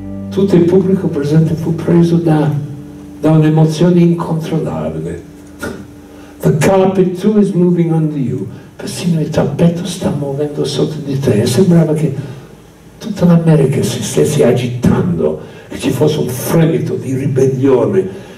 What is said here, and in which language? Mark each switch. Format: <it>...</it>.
<it>Tutto il pubblico presente fu preso da un'emozione incontrollabile.</it> <en>The carpet too is moving under you.</en> <it>Persino il tappeto sta muovendo sotto di te. E sembrava che tutta l'America si stesse agitando, che ci fosse un fremito di ribellione,</it>